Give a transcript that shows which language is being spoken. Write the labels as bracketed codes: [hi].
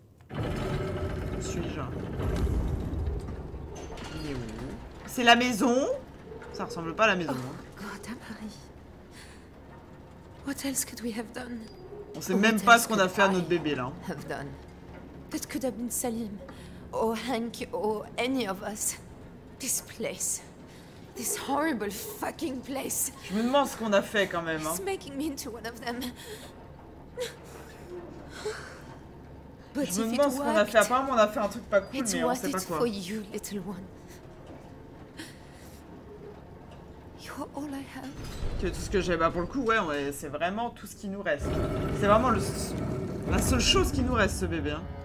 [fr] Où suis-je? Il est où? C'est la maison? Ça ressemble pas à la maison. [en] Oh, God, à Paris. What else could we have done? [fr] On sait même pas ce qu'on a fait à notre bébé là. [en] That could have been Salim, or Hank, or any of us. This place, this horrible fucking place. [fr] Je me demande ce qu'on a fait quand même. [en] It's making me into one of them. But [fr] je me demande ce qu'on a fait. Apparemment, on a fait un truc pas cool, mais on sait pas quoi. [en] It's worth it for you, little one. You [fr] Que tout ce que j'ai, bah pour le coup, ouais, c'est vraiment tout ce qui nous reste. C'est vraiment le, la seule chose qui nous reste, ce bébé. Hein.